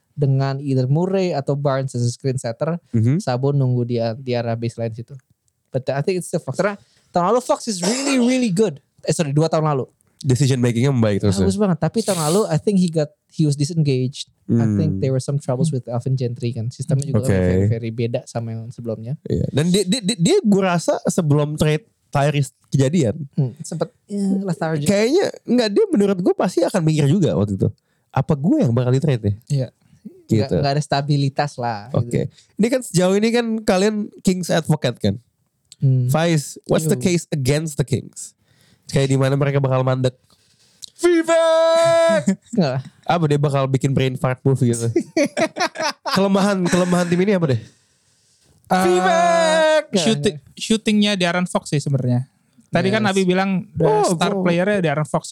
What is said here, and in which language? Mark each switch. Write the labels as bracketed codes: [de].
[en] Dengan either Murray atau Barnes as a screen setter, [id] Sabo nunggu dia di arah baseline situ. [en] But I think it's still Fox. [id] Karena tahun lalu [en] Fox is really really good. [id] Dua tahun lalu. Decision makingnya membaik terus. Bagus banget. Tapi tahun lalu [en] I think he was disengaged. I think there were some troubles with Alvin Gentry kan. [id] Sistemnya juga very beda sama yang sebelumnya. Yeah. Dan dia gue rasa sebelum trade Tyrese kejadian. Sempet lethargic. Kayaknya enggak, dia menurut gue pasti akan mikir juga waktu itu. Apa gue yang bakal di trade nih? Iya. Gitu. Gak ada stabilitas lah. Oke. Okay. Gitu. Ini kan sejauh ini kan kalian Kings Advocate kan. [en] Faiz, what's the case against the Kings? [id] Kayak di mana mereka bakal mandek? Vivek! Apa deh bakal bikin brain fart move gitu? kelemahan tim ini apa deh? Vivek! Shootingnya Darren Fox sih sebenarnya. Tadi kan Abi bilang star player-nya Darren Fox.